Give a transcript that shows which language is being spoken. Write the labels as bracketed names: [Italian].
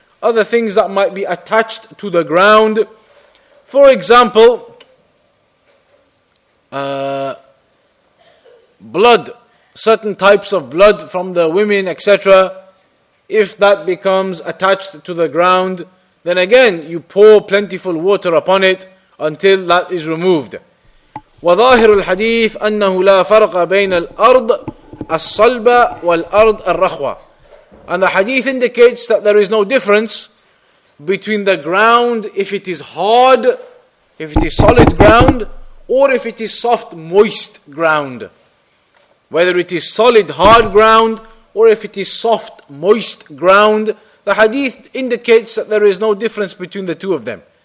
[English] Other things that might be attached to the ground. For example, blood. Certain types of blood from the women, etc. If that becomes attached to the ground, then again, you pour plentiful water upon it until that is removed. [Arabic] وَظَاهِرُ الْحَدِيثِ أَنَّهُ لَا فَرْقَ بَيْنَ الْأَرْضِ الصلبة والأرض الرخوة. [English] And the hadith indicates that there is no difference between the ground if it is hard, if it is solid ground, or if it is soft, moist ground. Whether it is solid, hard ground, or if it is soft, moist ground, the hadith indicates that there is no difference between the two of them.